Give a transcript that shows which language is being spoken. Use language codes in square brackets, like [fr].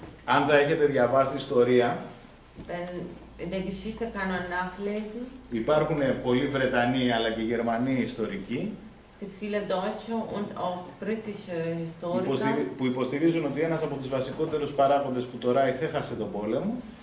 [el] Αν θα έχετε διαβάσει ιστορία, [de] in der Geschichte kann man nachlesen. [el] Υπάρχουν πολλοί Βρετανοί αλλά και Γερμανοί ιστορικοί. [de] Viele deutsche und auch britische Historiker, [el] που υποστηρίζουν ότι ένας από τους βασικότερους παράγοντες που το Ράιχ έχασε τον πόλεμο,